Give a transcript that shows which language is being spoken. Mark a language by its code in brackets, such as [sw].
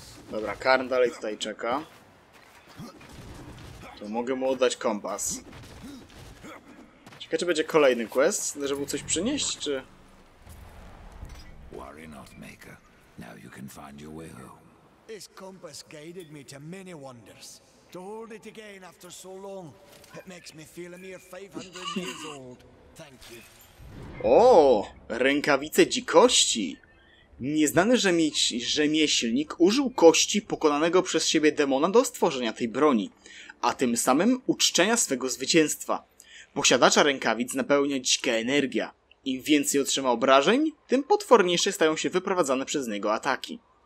[pl] Dobra, Karn dalej tutaj czeka. To mogę mu oddać kompas. Czekaj, czy będzie kolejny quest, żeby mu coś przynieść, czy... [en] Worry not, Maker. Now you can find your way home. This compass guided me to many wonders. To hold it again after so long, it makes me feel a mere 500 years old. Thank you. [pl] O, rękawice dzikości. Nieznany rzemieślnik użył kości pokonanego przez siebie demona do stworzenia tej broni, a tym samym uczczenia swego zwycięstwa. Posiadacza rękawic napełnia dzika energia. Im więcej otrzyma obrażeń, tym potworniejsze stają się wyprowadzane przez niego ataki.